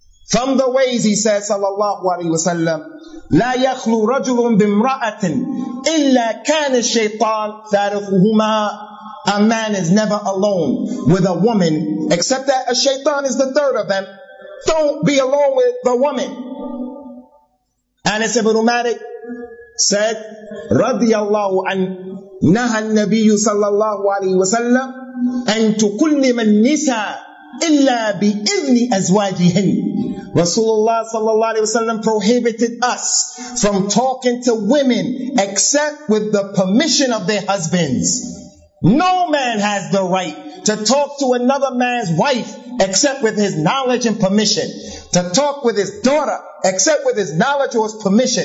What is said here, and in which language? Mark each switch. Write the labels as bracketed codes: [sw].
[en] From the ways, he says, [ar] sallallahu alayhi wa sallam, لا يخلو رجل بامرأة إلا كان الشيطان ثالثهما. [en] A man is never alone with a woman, except that a shaitan is the third of them. Don't be alone with the woman. Anas ibn Malik said, [ar] رضي الله عنه, نهى النبي صلى الله عليه وسلم أن تكلم النساء إلا بإذن أزواجهن. [en] Rasulullah sallallahu alayhi wa sallam prohibited us from talking to women except with the permission of their husbands. No man has the right to talk to another man's wife except with his knowledge and permission. To talk with his daughter except with his knowledge or his permission.